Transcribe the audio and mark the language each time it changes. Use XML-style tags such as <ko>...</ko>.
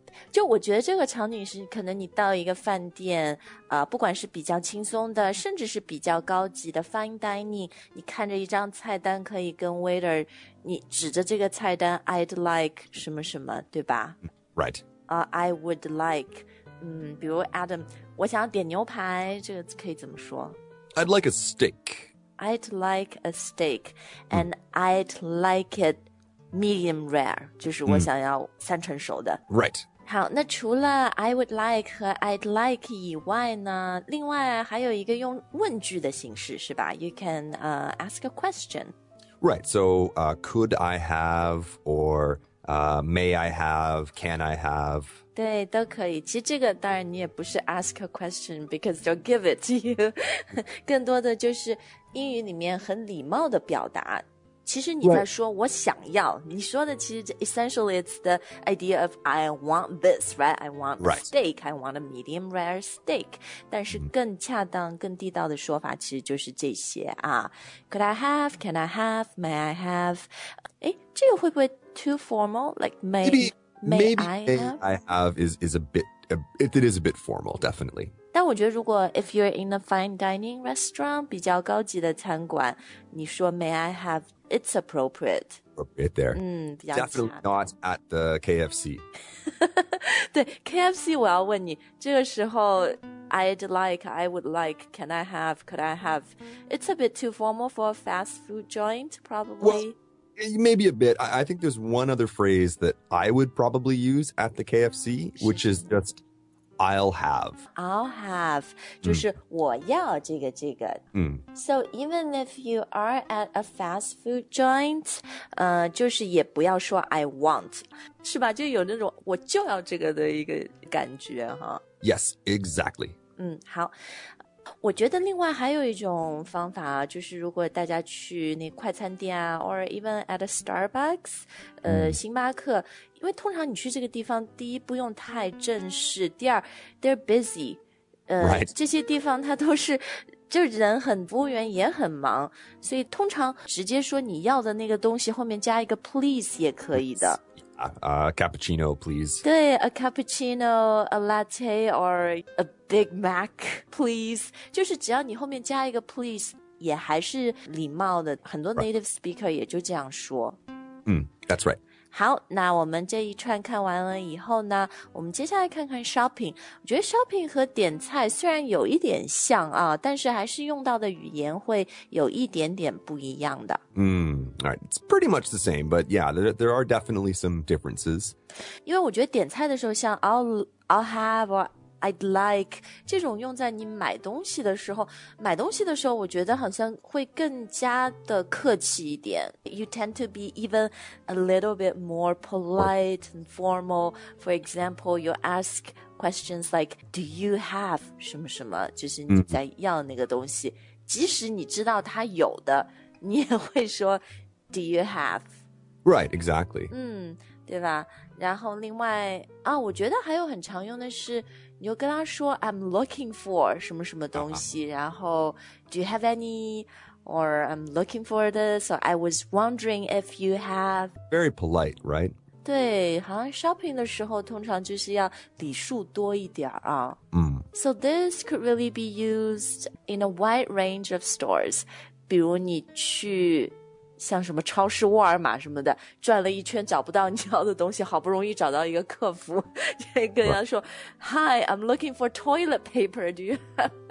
<zh>就我觉得这个场景是可能你到一个饭店不管是比较轻松的甚至是比较高级的 fine dining 你看着一张菜单可以跟 waiter 你指着这个菜单 I'd like 什么什么对吧</zh> <en>Right</en> <zh>I would like, 比如 Adam, 我想要点牛排这个可以怎么说</zh> <en>I'd like a steak. I'd like a steak, and I'd like it medium rare,</en> <zh>就是我想要三成熟的。</zh> <en>Right,</en> <zh>好，那除了 I would like 和 I'd like 以外呢，另外还有一个用问句的形式是吧 ？</zh> <en>You can ask a question. Right. So, could I have or may I have? Can I have?</en> <zh>对，都可以。其实这个当然你也不是</zh> <en>ask a question because they'll give it to you.</en> <zh>更多的就是英语里面很礼貌的表达。其实你在说我想要、</zh> <en>right.</en> <zh>你说的其实</zh> <en>essentially it's the idea of I want this, right? I want a steak,、right. I want a medium rare steak.</en> <zh>但是更恰当、更地道的说法其实就是这些啊。</zh> <en>Could I have? Can I have?</en> <zh>May I have? 诶，这个会不会 too formal?</zh> <en>Like may I have is a bit formal, definitely.</en> <zh>但我觉得如果</zh> <en>if you're in a fine dining restaurant,</en> <zh>比较高级的餐馆，你说</zh> <en>may I have,It's appropriate. Appropriate there.、嗯、 Definitely not at the KFC.</en> <zh>对 KFC 我要问你这个时候 I'd like, I would like, can I have, could I have?</zh> <en>It's a bit too formal for a fast food joint, probably. Well, maybe a bit. I think there's one other phrase that I would probably use at the KFC, which is just I'll have.</en> <zh>就是我要这个这个。嗯。</zh> <en>So even if you are at a fast food joint,</en> <zh>就是也不要说</zh> <en>I want, 是吧？</en> <zh>就有那种我就要这个的一个感觉哈。</zh> <en>Yes, exactly.</en> <zh>嗯，好。我觉得另外还有一种方法，就是如果大家去那快餐店啊 ，</zh> <en>or even at a Starbucks,</en> <zh>星巴克，因为通常你去这个地方，第一不用太正式，第二 they're busy,这些地方它都是就人很，服务员也很忙，所以通常直接说你要的那个东西后面加一个 please 也可以的。</zh> <en>Cappuccino, please. 对 ，a cappuccino, a latte, or a Big Mac, please.</en> <zh>就是只要你后面加一个 please, 也还是礼貌的。很多 native speaker 也就这样说。</zh> <en>That's right.</en> <zh>好，那我们这一串看完了以后呢，我们接下来看看 shopping。我觉得 shopping 和点菜虽然有一点像啊，但是还是用到的语言会有一点点不一样的。</zh> <en>All right, it's pretty much the same, but yeah, there are definitely some differences.</en> <zh>因为我觉得点菜的时候像 I'll have or I'd like, 这种用在你买东西的时候，买东西的时候我觉得好像会更加的客气一点。</zh> <en>You tend to be even a little bit more polite and formal. For example, you ask questions like, do you have 什么什么，</en> <zh>就是你在要那个东西，即使你知道它有的。你也会说 ,do you have?</zh> <en>Right, exactly.</en> <zh>对吧然后另外啊我觉得还有很常用的是你就跟他说 I'm looking for 什么什么东西、然后</zh> <en>do you have any, or I'm looking for this, or I was wondering if you have. Very polite, right?</en> <zh>对好像 shopping 的时候通常就是要礼数多一点啊。</zh> <en>So this could really be used in a wide range of stores.</en> <zh>比如你去像什么超市沃尔玛什么的转了一圈找不到你要的东西好不容易找到一个客服就跟人家说</zh> <en>Hi, I'm looking for toilet paper, do you have?</en>